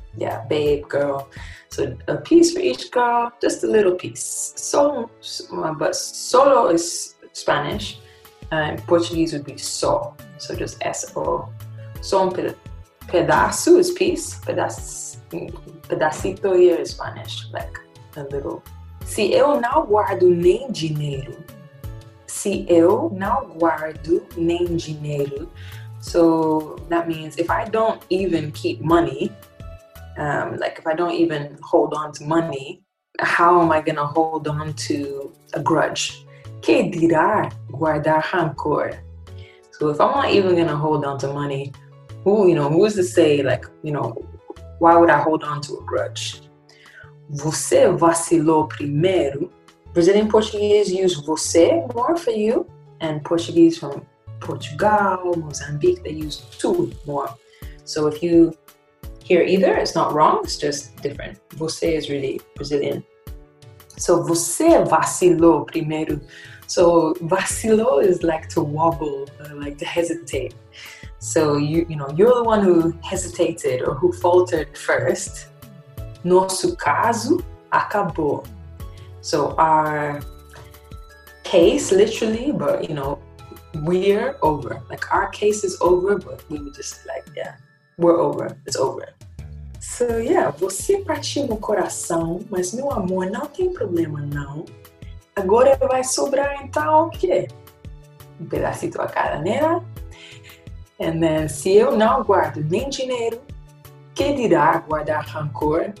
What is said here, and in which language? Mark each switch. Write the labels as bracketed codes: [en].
[en] Yeah, babe, girl. So a piece for each girl, just a little piece. So, but solo is Spanish, and Portuguese would be só. So just S-O. So pedaço is piece. Pedacito here is Spanish, like a little. [pt] Se eu não guardo nem dinheiro. Se eu não guardo nem dinheiro. [en] So that means if I don't even keep money, like if I don't even hold on to money, how am I going to hold on to a grudge? [pt] Que dirá guardar rancor? [en] So if I'm not even going to hold on to money, who's to say, like, you know, why would I hold on to a grudge? [pt] Você vacilou primeiro. [en] Brazilian Portuguese use você more for you, and Portuguese from Portugal, Mozambique, they use tu more. So if you hear either, it's not wrong, it's just different. Você is really Brazilian. [pt] So você vacilou primeiro. [en] So vacilou is like to wobble, like to hesitate. So you know, you're the one who hesitated or who faltered first. [pt] Nosso caso acabou. [en] So our case, literally, but you know, we're over. Like our case is over, but we were just like, yeah, we're over. It's over. [pt] So yeah, você partiu meu coração, mas meu amor, não tem problema não. Agora vai sobrar então o quê? [es] Pedacito a cada nena. [en] And then, [pt] se eu não guardo nem dinheiro, que dirá guardar rancor?